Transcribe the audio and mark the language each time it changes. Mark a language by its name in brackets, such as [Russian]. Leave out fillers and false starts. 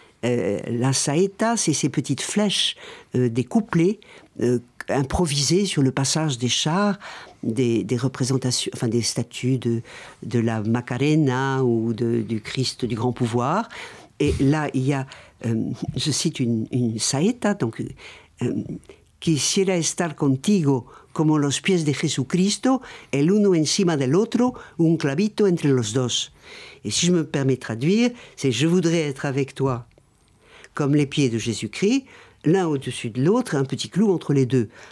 [French] La saeta, c'est ces petites flèches, des couplets improvisés sur le passage des chars, des représentations, enfin des statues de la Macarena ou du Christ du grand pouvoir. Et là, il y a, je cite une saeta, donc [Spanish] quisiera estar contigo como los pies de Jesucristo, el uno encima del otro, un clavito entre los dos. [French] Et si je me permets de traduire, c'est je voudrais être avec toi comme les pieds de Jésus-Christ, l'un au-dessus de l'autre, un petit clou entre les deux.